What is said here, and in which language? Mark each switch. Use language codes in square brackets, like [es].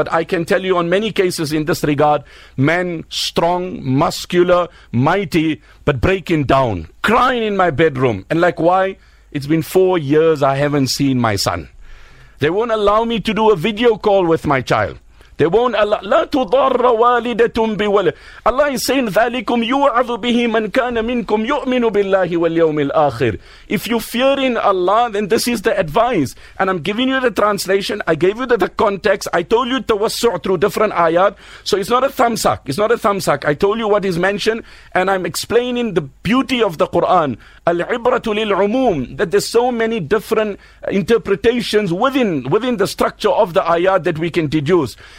[en] But I can tell you on many cases in this regard, men, strong, muscular, mighty, but breaking down, crying in my bedroom. And like, why? It's been 4 years I haven't seen my son. They won't allow me to do a video call with my child. They won't allow. [ar] لا تضر والدتم بولد. [en] Allah is saying, [ar] ذلكم يوعظ به من كان منكم يؤمن بالله واليوم الآخر. [en] If you fear in Allah, then this is the advice. And I'm giving you the translation. I gave you the context. I told you tawassu' through different ayat. So it's not a thumbsuck. It's not a thumbsuck. I told you what is mentioned. And I'm explaining the beauty of the Quran. Al-ibratu lil-umum. That there's so many different interpretations within the structure of the ayat that we can deduce.